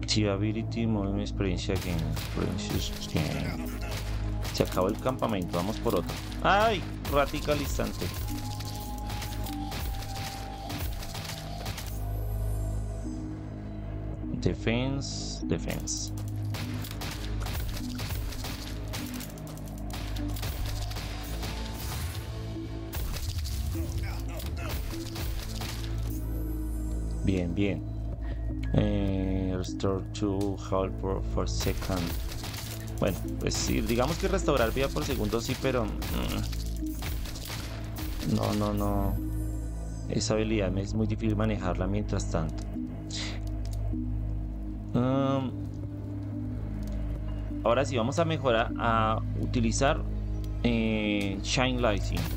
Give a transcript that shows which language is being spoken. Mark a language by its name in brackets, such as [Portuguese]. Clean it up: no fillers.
[English] Ability, Movement, Experience Gain. Experience Gain. [Spanish] Se acabó el campamento, vamos por otro. ¡Ay! Ratica al instante. [English] Defense, defense. [Spanish] Bien, bien. [English] Restore to health for second. [Spanish] Bueno, pues sí, digamos que restaurar vida por segundo sí, pero... No, no, no. Esa habilidad me es muy difícil manejarla mientras tanto. Ahora sí, vamos a mejorar a utilizar Shine Lightning.